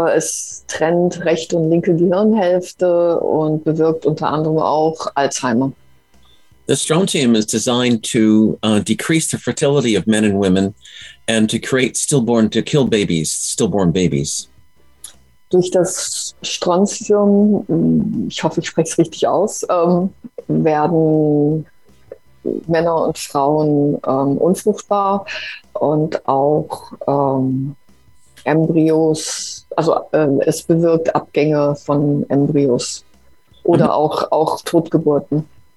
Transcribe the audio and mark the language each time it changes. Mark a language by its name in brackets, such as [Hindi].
[German] Es trennt rechte und linke Gehirnhälfte und bewirkt unter anderem auch Alzheimer. [English] The strontium is designed to decrease the fertility of men and women and to create stillborn, to kill babies, stillborn babies. [German] Durch das Strontium, ich hoffe, ich spreche es richtig aus, werden Männer und Frauen unfruchtbar und auch Embryos, also es bewirkt Abgänge von Embryos oder auch Totgeburten.